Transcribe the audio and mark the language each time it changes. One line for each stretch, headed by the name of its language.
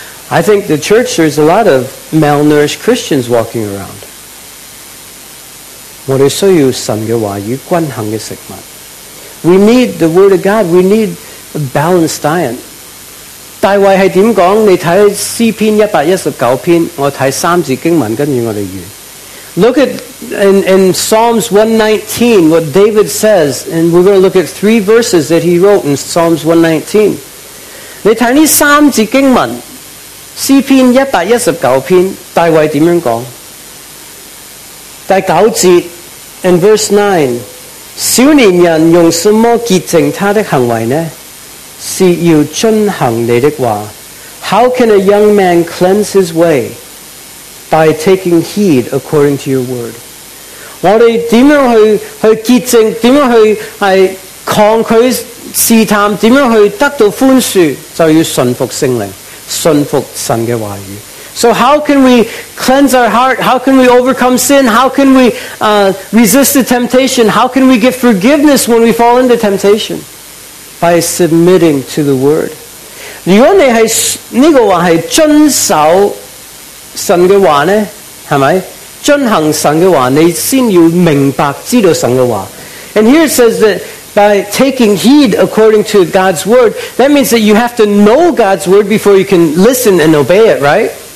English: I think the church, there's a lot of malnourished Christians walking around.
Chinese: 我們需要神的話語,均衡的食物。
English: We need the Word of God. We need a balanced diet.
Chinese: 大衛是怎麼說? 你看詩篇119篇, 我看三節經文跟著我們語言。
English: Look at in Psalms 119 what David says, and we're going to look at three verses that he wrote in Psalms 119.
Chinese: 你看這三節經文, 詩篇119篇, 大衛怎樣說? 第九節,
English: in verse 9,
Chinese: 少年人用什麼潔淨他的行為呢? 是要遵行你的話,
English: How can a young man cleanse his way? By taking heed according to your word.
Chinese: 我們怎樣去潔淨, 怎樣去抗拒試探, 怎樣去得到寬恕, 就要順服聖靈, 順服神的話語。
English: So how can we cleanse our heart? How can we overcome sin? How can we resist the temptation? How can we get forgiveness when we fall into temptation? By submitting to the word.
Chinese: 如果你是遵守 神的話呢, 遵行神的話,
English: and here it says that by taking heed according to God's word, that means that you have to know God's word before you can listen and obey it, right?